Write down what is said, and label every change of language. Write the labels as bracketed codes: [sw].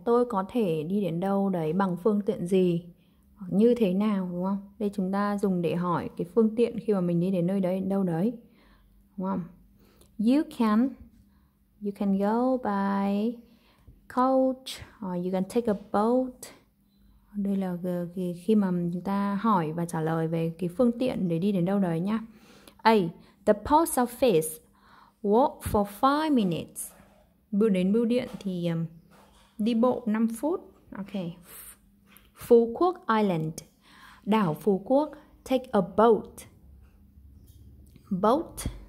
[vi] Tôi có thể đi đến đâu đấy bằng phương tiện gì? Như thế nào, đúng không? Đây chúng ta dùng để hỏi cái phương tiện khi mà mình đi đến nơi đấy, đâu đấy. Đúng không? [en] You can go by coach, or you can take a boat. [vi] Đây là khi mà chúng ta hỏi và trả lời về cái phương tiện để đi đến đâu đấy nhá. A. [en] The post office. Walk for 5 minutes. [vi] Bước đến bưu điện thì đi bộ 5 phút. [en] Ok. Phú Quốc Island. Đảo Phú Quốc. Take a boat. Boat.